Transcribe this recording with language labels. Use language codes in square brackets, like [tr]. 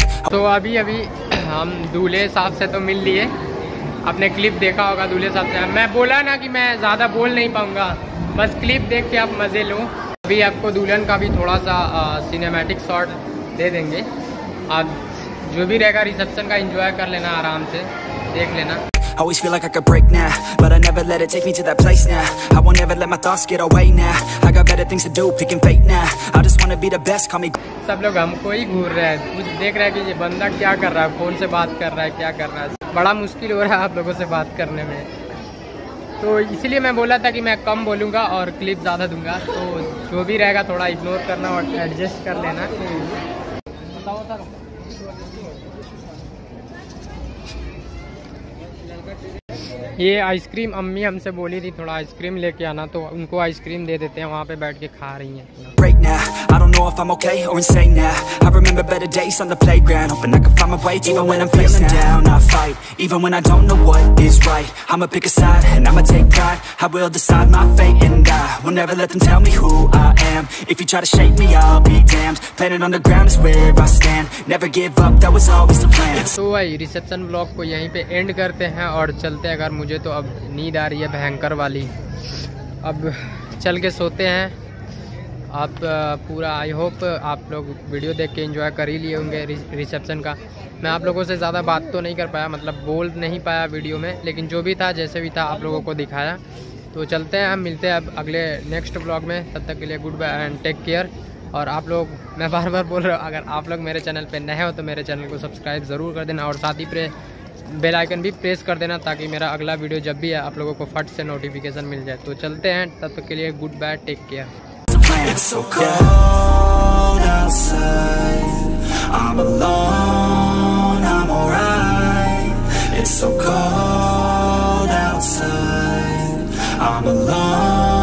[hi] तो अभी हम दूल्हे साहब से तो मिल लिए, आपने क्लिप देखा होगा दूल्हे साहब से। मैं बोला ना कि मैं ज़्यादा बोल नहीं पाऊँगा, बस क्लिप देख के आप मज़े लो। अभी आपको दुल्हन का भी थोड़ा सा सिनेमैटिक शॉट दे देंगे, आप जो भी रहेगा रिसेप्शन का एंजॉय कर लेना, आराम से देख लेना। [en] I always feel like I could break now, but I never let it take me to that place now. I won't ever let my thoughts get away now. I got better things to do, picking fate now. I just wanna be the best, call me. [hi] सब लोग हमको ही घूर रहे हैं, कुछ देख रहे हैं कि ये बंदा क्या कर रहा है, फोन से बात कर रहा है, क्या कर रहा है। बड़ा मुश्किल हो रहा है आप लोगों से बात करने में, तो इसलिए मैं बोला था कि मैं कम बोलूँगा और क्लिप ज़्यादा दूंगा। तो जो भी रहेगा थोड़ा इग्नोर करना और एडजस्ट कर लेना। ये आइसक्रीम अम्मी हमसे बोली थी थोड़ा आइसक्रीम लेके आना, तो उनको आइसक्रीम दे देते हैं, वहाँ पे बैठ के खा रही हैं। [en] I don't know if I'm okay or insane now. I remember better days on the playground. Hoping I can find my way to even when I'm feeling down. I fight even when I don't know what is right. I'ma pick a side and I'ma take pride. I will decide my fate and I will never let them tell me who I am. If you try to shape me, I'll be damned. Planet on the ground is where I stand. Never give up, that was always the plan. [hi] So भाई reception vlog को यहीं पे end करते हैं और चलते हैं। अगर मुझे तो अब नींद आ रही है भयंकर वाली, अब चल के सोते हैं। आप पूरा [en] I hope [hi] आप लोग वीडियो देख के इंजॉय कर ही लिए होंगे रिसेप्शन का। मैं आप लोगों से ज़्यादा बात तो नहीं कर पाया, मतलब बोल नहीं पाया वीडियो में, लेकिन जो भी था जैसे भी था आप लोगों को दिखाया। तो चलते हैं, हम मिलते हैं अब अगले नेक्स्ट व्लॉग में। तब तक के लिए [en] Goodbye and take care. [hi] और आप लोग, मैं बार बार बोल रहा हूँ, अगर आप लोग मेरे चैनल पर नए हो तो मेरे चैनल को सब्सक्राइब ज़रूर कर देना और साथ ही बेल आइकन भी प्रेस कर देना, ताकि मेरा अगला वीडियो जब भी है आप लोगों को फट से नोटिफिकेशन मिल जाए। तो चलते हैं, तब तक के लिए [en] Goodbye, take care. It's so cold outside. I'm alone, I'm alright. It's so cold outside. I'm alone.